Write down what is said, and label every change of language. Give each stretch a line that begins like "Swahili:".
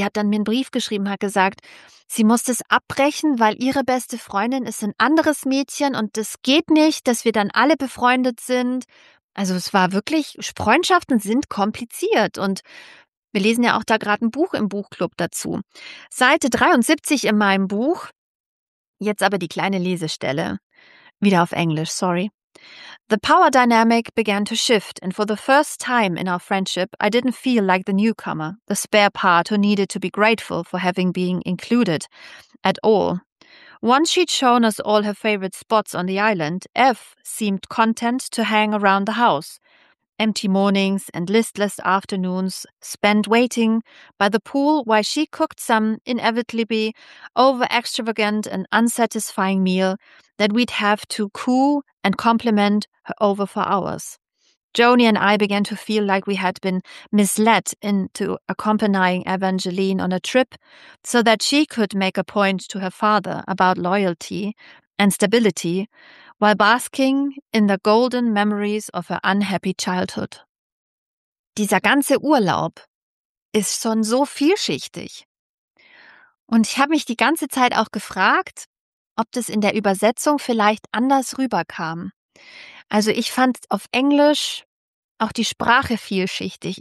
German: Die hat dann mir einen Brief geschrieben, hat gesagt, sie muss das abbrechen, weil ihre beste Freundin ist ein anderes Mädchen und das geht nicht, dass wir dann alle befreundet sind. Also es war wirklich, Freundschaften sind kompliziert und wir lesen ja auch da gerade ein Buch im Buchclub dazu. Seite 73 in meinem Buch, jetzt aber die kleine Lesestelle. Wieder auf Englisch, sorry.
English: The power dynamic began to shift, and for the first time in our friendship, I didn't feel like the newcomer, the spare part who needed to be grateful for having been included at all. Once she'd shown us all her favorite spots on the island, F seemed content to hang around the house. Empty mornings and listless afternoons spent waiting by the pool while she cooked some inevitably over-extravagant and unsatisfying meal that we'd have to coo and compliment her over for hours. Joni and I began to feel like we had been misled into accompanying Evangeline on a trip so that she could make a point to her father about loyalty and stability while basking in the golden memories of her unhappy childhood.
German: Dieser ganze Urlaub ist schon so vielschichtig. Und ich habe mich die ganze Zeit auch gefragt, ob das in der Übersetzung vielleicht anders rüberkam. Also ich fand auf Englisch auch die Sprache vielschichtig.